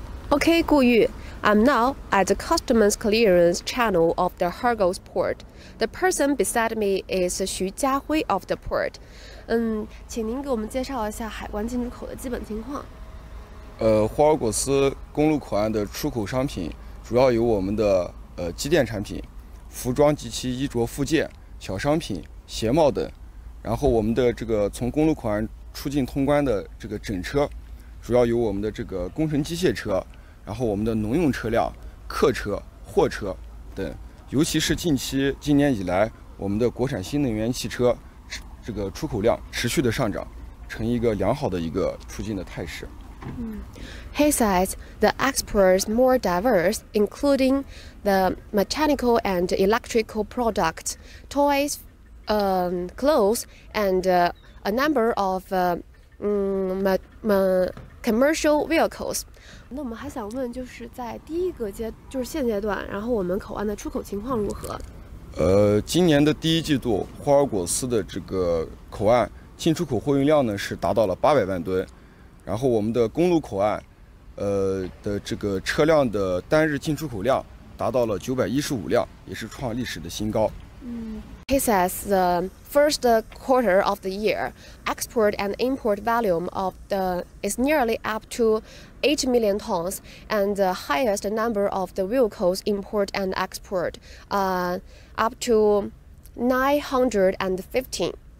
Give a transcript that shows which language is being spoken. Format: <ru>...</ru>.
<en>Okay, Gu Yu, I'm now at the customs clearance channel of the Horgos port. The person beside me is Xu Jiahui of the port.</en> <zh>请您给我们介绍一下海关进出口的基本情况。霍尔果斯公路口岸的出口商品主要有我们的机电产品、服装及其衣着附件、小商品、鞋帽等。然后我们的这个从公路口岸出境通关的这个整车，主要有我们的这个工程机械车。然后我们的农用车辆、客车、货车等，尤其是今年以来，我们的国产新能源汽车这个出口量持续的上涨，呈一个良好的一个出境的态势。</zh> <en>He says the exports more diverse, including the mechanical and electrical products, toys, clothes, and a number of commercial vehicles.</en> <zh>那我们还想问，就是在第一个阶，就是现阶段，然后我们口岸的出口情况如何？今年的第一季度，霍尔果斯的这个口岸进出口货运量呢是达到了800万吨，然后我们的公路口岸，的这个车辆的单日进出口量达到了915辆，也是创历史的新高。</zh> <en>He says the first quarter of the year, export and import volume of the is nearly up to 8 million tons, and the highest number of the vehicles import and export up to 915.</en>